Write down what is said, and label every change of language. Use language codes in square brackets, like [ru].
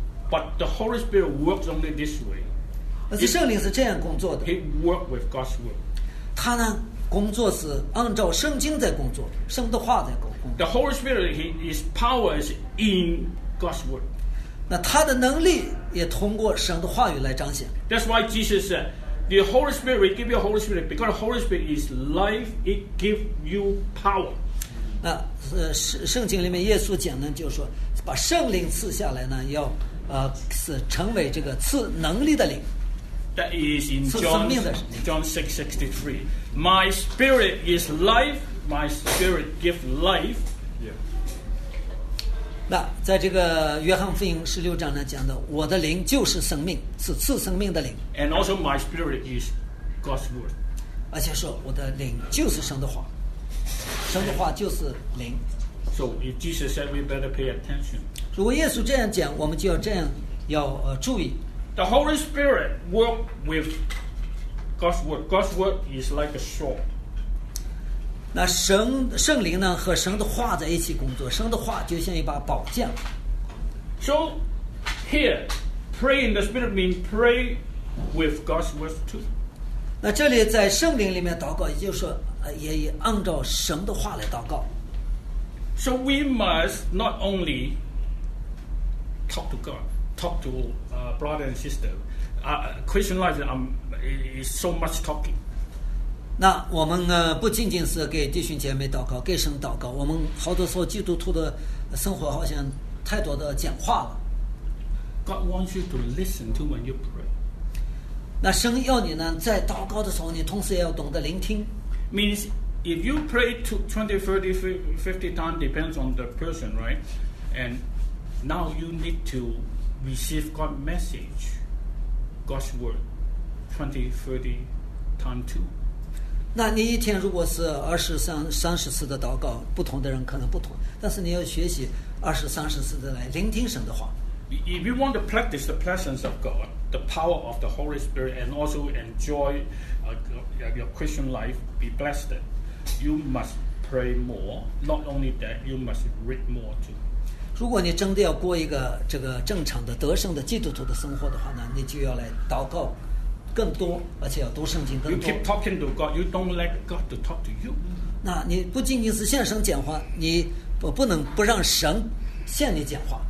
[en] But the Holy Spirit works only this way. [zh] 而且圣灵是这样工作的。 [en] He works with God's word. [zh] 他呢，工作是按照圣经在工作，圣的话在工作。 [en] The Holy Spirit, his power is in God's word. [zh] 那他的能力也通过神的话语来彰显。 [en] That's why Jesus said, "The Holy Spirit will give you Holy Spirit because Holy Spirit is life; it gives you power." [zh] 那圣经里面耶稣讲呢，就是说把圣灵赐下来呢，要是成为这个赐能力的灵。 [en] That is in John 6:63. My spirit is life. My spirit gives life. Yeah. [zh] 那在这个约翰福音十六章呢讲的，我的灵就是生命，是赐生命的灵。 [en] And also my spirit is God's word. [zh] 而且说我的灵就是神的话，神的话就是灵。 [en] So if Jesus said, we better pay attention. [zh] 如果耶稣这样讲，我们就要这样要注意。 [en] The Holy Spirit works with God's word. God's word is like a sword. [zh] 那圣灵呢和神的话在一起工作，神的话就像一把宝剑。 [en] So here, pray in the Spirit means pray with God's word too. [zh] 那这里在圣灵里面祷告，也就是说，也按照神的话来祷告。 [en] So we must not only talk to God. Talk to brother and sister. Christian life is so much talking. [zh] 那我们不仅仅是给弟兄姐妹祷告，给神祷告。我们好多时候基督徒的生活好像太多的讲话了。 [en] God wants you to listen to when you pray. [zh] 那神要你呢，在祷告的时候，你同时也要懂得聆听。 [en] Means if you pray to 20, 30, 50 times depends on the person, right? And now you need toReceive God's message, God's word, 20, 30 times two. [zh] 那你一天如果是20-30次的祷告，不同的人可能不同，但是你要学习20-30次的来聆听神的话。 [en] If you want to practice the presence of God, the power of the Holy Spirit, and also enjoy your Christian life, be blessed, you must pray more. Not only that, you must read more too. [zh] 如果你真的要过一个这个正常的得胜的基督徒的生活的话呢，你就要来祷告更多，而且要读圣经更多。 [en] You keep talking to God, you don't let God to talk to you. [zh] 那你不仅仅是向神讲话，你不能不让神向你讲话。